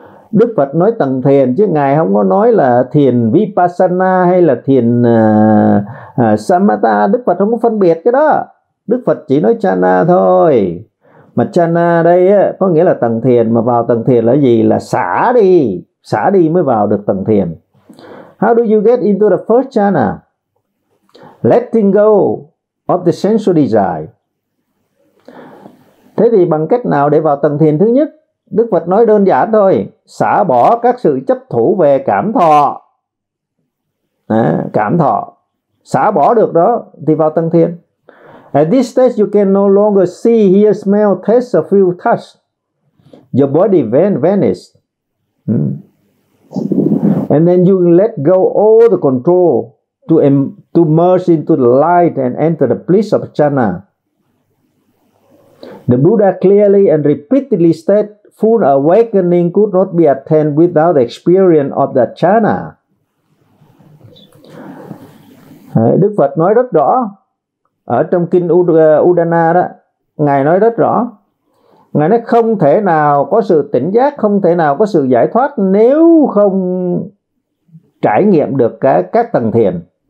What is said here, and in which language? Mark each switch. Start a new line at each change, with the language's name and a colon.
Vietnamese: Đức Phật nói tầng thiền chứ ngài không có nói là thiền vipassana hay là thiền samatha. Đức Phật không có phân biệt cái đó. Đức Phật chỉ nói chana thôi. Mà chana đây có nghĩa là tầng thiền. Mà vào tầng thiền là gì? Là xả đi. Xả đi mới vào được tầng thiền.
English: How do you get into the first chana? Letting go of the sensual desire.
Vietnamese: Thế thì bằng cách nào để vào tầng thiền thứ nhất? Đức Phật nói đơn giản thôi. Xả bỏ các sự chấp thủ về cảm thọ. Cảm thọ. Xả bỏ được đó thì vào tầng thiền.
English: At this stage you can no longer see, hear, smell, taste, or feel, touch. Your body vanish. And then you let go all the control to merge into the light and enter the bliss of jhana. The Buddha clearly and repeatedly said, full awakening could not be attained without the experience of the jhana.
Vietnamese: Đức Phật nói rất rõ, ở trong kinh Udana đó, ngài nói rất rõ. Ngài nói không thể nào có sự tỉnh giác, không thể nào có sự giải thoát nếu không trải nghiệm được các tầng thiền.